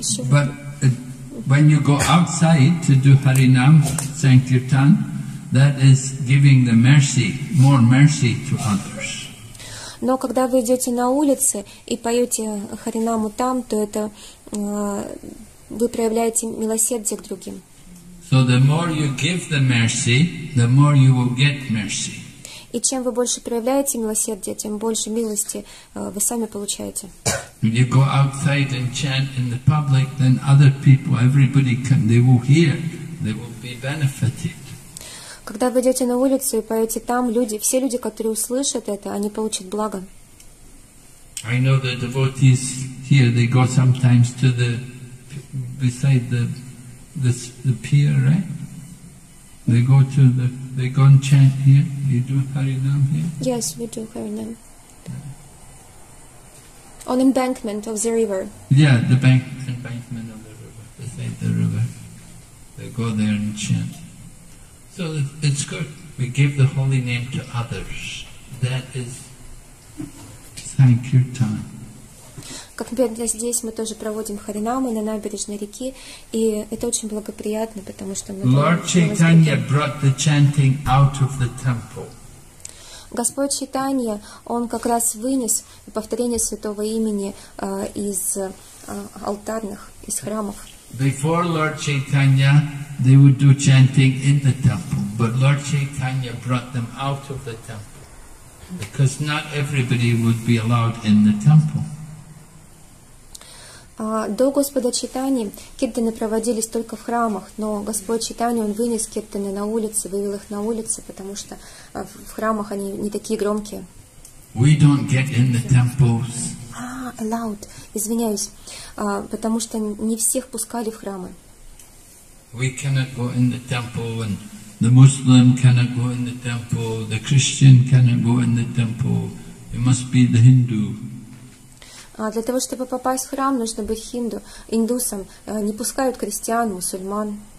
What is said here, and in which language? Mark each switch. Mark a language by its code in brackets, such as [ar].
[en] But when you go outside to do Harinam, Sankirtan, that is giving the mercy, more mercy to others. [ru] Но когда вы идете на улице и поете Харинаму там, то это вы проявляете милосердие к другим. [en] So the more you give the mercy, the more you will get mercy. [ru] И чем вы больше проявляете милосердие, тем больше милости вы сами получаете. [en] When you go outside and chant in the public, then other people, everybody can, they will hear, they will be benefited. [ru] Когда вы идете на улицу и поете там, люди, все люди, которые услышат это, они получат благо. [en] I know the devotees here, they go sometimes to the beside the pier, right? They go to the they go and chant here. You do Harinam here? Yes, we do Harinam. Yeah. On embankment of the river. Yeah, the embankment of the river, beside the river. They go there and chant. So it's good. We give the holy name to others. That is Sankirtan. [ru] Как например, здесь мы тоже проводим харинамы на набережной реки, и это очень благоприятно, потому что мы. [en] Lord Chaitanya brought the chanting out of the temple. [ru] Господь Чайтанья, он как раз вынес повторение святого имени из алтарных, из храмов. [en] Before Lord Chaitanya, they would do chanting in the temple, but Lord Chaitanya brought them out of the temple, because not everybody would be allowed in the temple. [ru] До Господа Чайтаньи киртаны проводились только в храмах, но Господь Чайтанья, он вынес киртаны на улицы, вывел их на улицы, потому что в храмах они не такие громкие. [en] We don't get in the temples. Allowed. [ru] Извиняюсь, потому что не всех пускали в храмы. [en] We cannot go in the temple, and the Muslim cannot go in the temple, the Christian cannot go in the temple. It must be the Hindu. [ru] Для того, чтобы попасть в храм, нужно быть хинду, индусом. Не пускают крестьян, мусульман.